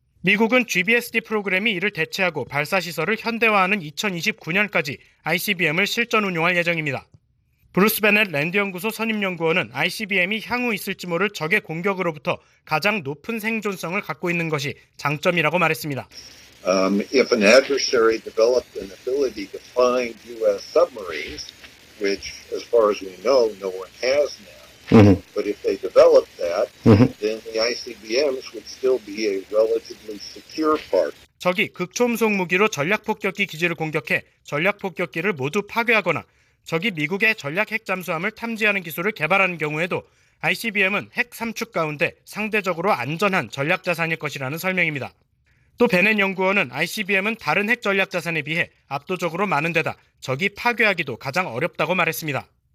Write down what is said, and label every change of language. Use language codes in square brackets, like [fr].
[ko] 미국은 GBSD 프로그램이 이를 대체하고 발사시설을 현대화하는 2029년까지 ICBM을 실전 운용할 예정입니다. 브루스 베넷 랜드연구소 선임연구원은 ICBM이 향후 있을지 모를 적의 공격으로부터 가장 높은 생존성을 갖고 있는 것이 장점이라고 말했습니다. [en] If an adversary developed an ability to find U.S. submarines, which, as far as we know, no one has now, but if they developed that, then the ICBMs would still be a relatively secure part. [ko] 적이 극초음속 무기로 전략폭격기 기지를 공격해 전략폭격기를 모두 파괴하거나 적이 미국의 전략 핵 잠수함을 탐지하는 기술을 개발하는 경우에도 ICBM은 핵 3축 가운데 상대적으로 안전한 전략 자산일 것이라는 설명입니다. 또 베넷 연구원은 ICBM은 다른 핵 전략 자산에 비해 압도적으로 많은 데다 적이 파괴하기도 가장 어렵다고 말했습니다.